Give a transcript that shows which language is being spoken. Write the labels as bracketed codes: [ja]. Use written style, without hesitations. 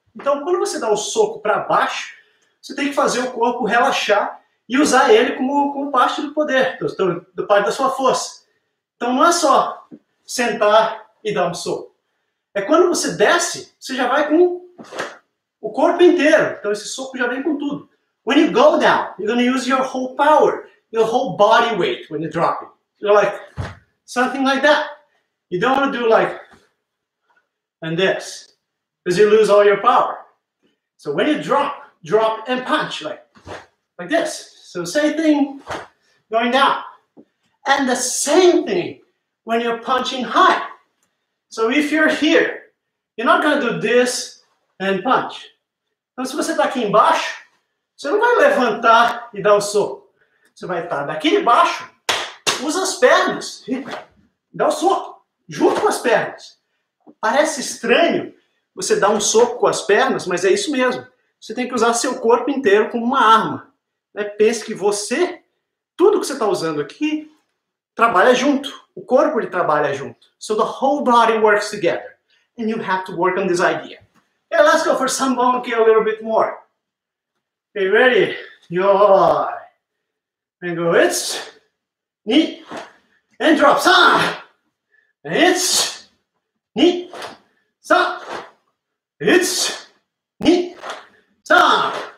[pt] Então, quando você dá o soco para baixo, você tem que fazer o corpo relaxar e usar ele como parte do poder, da parte da sua força. Então, não é só sentar e dar um soco. É quando você desce, você já vai com o corpo inteiro. Então, esse soco já vem com tudo. [en] When you go down, you're going to use your whole power, your whole body weight when you drop it. You're like, something like that. You don't want to do like, and this, because you lose all your power. So when you drop and punch, like this. So same thing going down. And the same thing when you're punching high. So if you're here, you're not going to do this and punch. [pt] Então se você está aqui embaixo, você não vai levantar e dar o soco. Você vai estar daqui de baixo, usa as pernas e dá o soco, junto com as pernas. Parece estranho você dar um soco com as pernas, mas é isso mesmo. Você tem que usar seu corpo inteiro como uma arma. Né? Pense que você, tudo que você está usando aqui, trabalha junto. O corpo ele trabalha junto. [en] So the whole body works together. And you have to work on this idea. Yeah, let's go for some monkey a little bit more. Okay, ready? Yoi. And go, it's ni. And drop, sa. It's ni. Sa. It's ni. Sa.